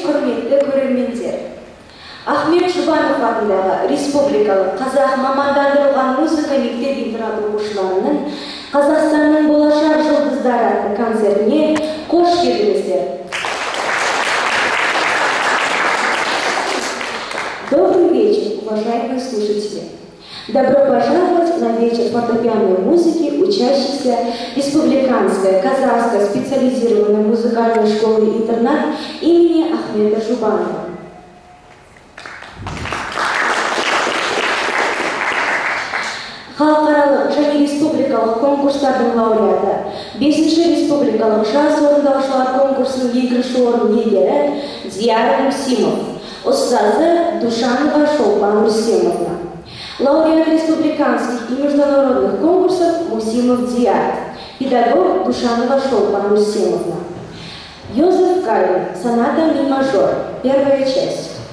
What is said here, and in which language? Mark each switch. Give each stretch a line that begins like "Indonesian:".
Kazakh: Ахмет Жұбанов атындағы республикалық қазақ мамандандырылған музыка мектеп-интернаты оқушыларының Қазақстанның болашақ жұлдыздары атты концертіне қош келдіңіздер.
Russian: Добрый вечер, уважаемые слушатели! Добро пожаловать на вечер фортепианной музыки учащихся Республиканской казахской специализированной музыкальной школы-интернат имени Ахмета Жұбанова.
Kazakh: Халықаралық және республикалық конкурстардың лауреаты, 5-ші республикалық жас орындаушылар конкурсының 2-ші орын иегері Диара Мусимов, ұстазы Душанова Шолпан Мусимовна.
Russian: Лауреат республиканских и международных конкурсов Мусимов Диар, педагог Душанова Шолпан Мусимовна. Йозеф Калин, соната ми-мажор, первая часть.